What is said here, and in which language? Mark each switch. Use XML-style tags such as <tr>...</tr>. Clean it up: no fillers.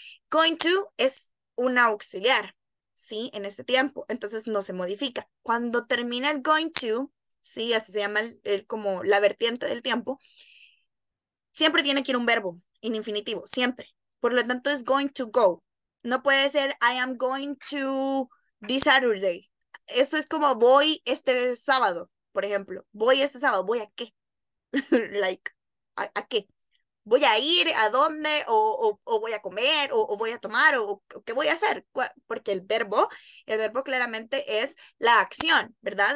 <es>Going to es un auxiliar, ¿sí? En este tiempo. Entonces no se modifica. Cuando termina el going to, sí, así se llama como la vertiente del tiempo, siempre tiene que ir un verbo en infinitivo, siempre. Por lo tanto, es going to go. No puede ser,</es> <en>I am going to this Saturday.</en> <es>Esto es como voy este sábado, por ejemplo. Voy este sábado, ¿voy a qué? Like, ¿a qué? ¿Voy a ir? ¿A dónde? ¿O voy a comer? ¿O voy a tomar? ¿O qué voy a hacer? Porque el verbo claramente es la acción, ¿verdad?</es>